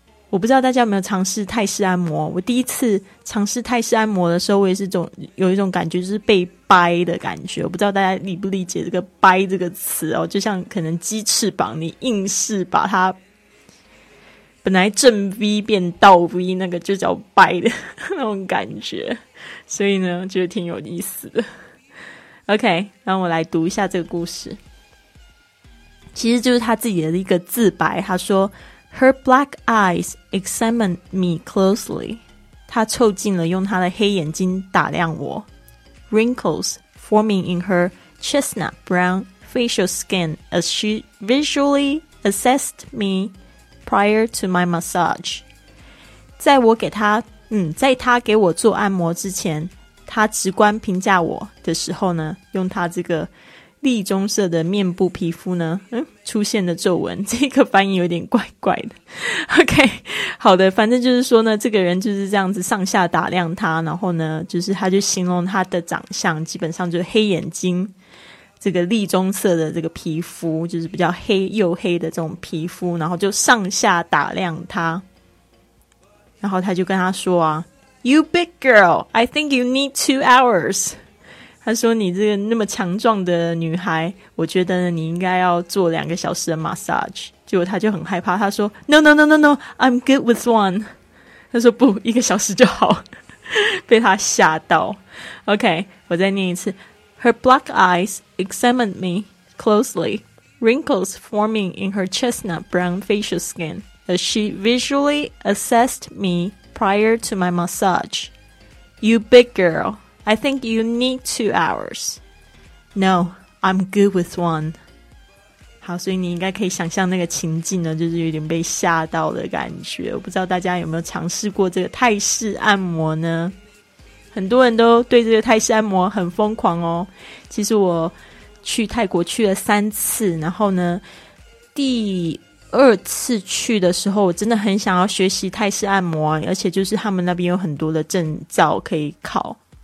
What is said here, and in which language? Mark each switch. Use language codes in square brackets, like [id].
[zh] 我不知道大家有没有尝试泰式按摩，我第一次尝试泰式按摩的时候，我也是有一种感觉，就是被掰的感觉。我不知道大家理不理解这个掰这个词哦，就像可能鸡翅膀你硬是把它本来正 V 变倒 V， 那个就叫掰的那种感觉，所以呢觉得挺有意思的。 OK， 让我来读一下这个故事，其实就是他自己的一个自白。他说 [en] Her black eyes examined me closely. [zh] 她凑近了用她的黑眼睛打量我。 [en] Wrinkles forming in her chestnut brown facial skin as she visually assessed me prior to my massage. [zh] 在我给她在她给我做按摩之前，她直观评价我的时候呢，用她这个栗棕色的面部皮肤呢出现的皱纹，这个翻译有点怪怪的。 OK， 好的，反正就是说呢，这个人就是这样子上下打量他，然后呢就是他就形容他的长相基本上就是黑眼睛，这个栗棕色的这个皮肤，就是比较黑又黑的这种皮肤，然后就上下打量他，然后他就跟他说啊， [en] You big girl, I think you need 2 hours。 [zh] 他说你这个那么强壮的女孩，我觉得你应该要做2小时的 massage。结果他就很害怕，他说 [en] No, I'm good with one。 [zh] 他说不，1小时就好。被他吓到。 OK， 我再念一次。 [en] Her black eyes examined me closely, wrinkles forming in her chestnut brown facial skin as she visually assessed me prior to my massage. You big girlI think you need 2 hours. No, I'm good with one. [zh] 好，所以你应该可以想象那个情境呢，就是有点被吓到的感觉。我不知道大家有没有尝试过这个泰式按摩呢？很多人都对这个泰式按摩很疯狂哦。其实我去泰国去了3次，然后呢，第2次去的时候，我真的很想要学习泰式按摩，而且就是他们那边有很多的证照可以考。